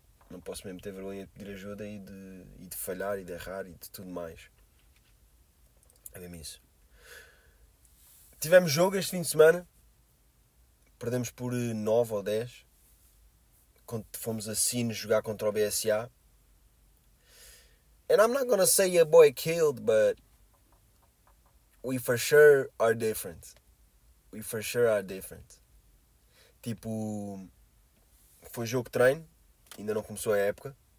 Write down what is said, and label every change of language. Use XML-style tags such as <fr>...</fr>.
<pt>Não posso mesmo ter vergonha de pedir ajuda e de falhar e de errar e de tudo mais. É mesmo isso. Tivemos jogo este fim de semana. Perdemos por 9 ou 10. Quando fomos a Sines jogar contra o BSA.</pt> <en>And I'm not gonna say a boy killed, but we for sure are different. We for sure are different.</en> <pt>Tipo, foi jogo de treino, ainda não começou a época.</pt>